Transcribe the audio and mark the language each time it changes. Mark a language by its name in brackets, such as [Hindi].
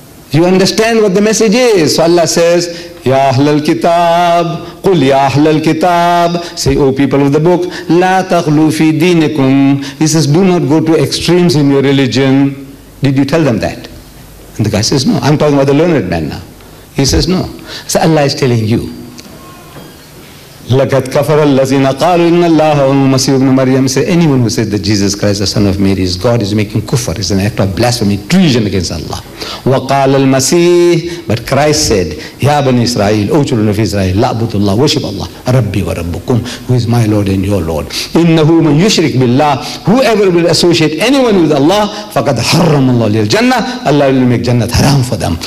[English] You understand what the message is. So Allah says, [Arabic] Ya Ahl al-Kitab, Qul Ya Ahl al-Kitab, [English] say, O people of the book, [Arabic] La taghlu fi dinikum. [English] He says, do not go to extremes in your religion. Did you tell them that? And the guy says, no. I'm talking about the learned man now. He says, no. So Allah is telling you, [Arabic] لَكَدْ كَفَرَ الَّذِينَ قَالُوا إِنَّ اللَّهَ وَالْمَسِيحُ بْنُ مَرْيَمَ. [English] Say, anyone who says that Jesus Christ, the Son of Mary, is God, is making kufr. It's an act of blasphemy, treason against Allah. [Arabic] وَقَالَ الْمَسِيحُ. [English] But Christ said, [Arabic] يَا بَنِي إِسْرَائِيلَ, [English] O children of Israel, [Arabic] لَعْبُدُ اللَّهُ, [English] worship Allah, [Arabic] رَبِّي وَرَبُّكُمْ, [English] who is my Lord and your Lord. [Arabic] إِنَّهُ مَنْ يُشْرِكْ بِاللَّهِ, [English] whoever will associate anyone with Allah, [Arabic] فَقَدْ حَرَّمَ اللَّهُ لِي الْجَنَّةِ, [English] Allah will make Jannah haram for them.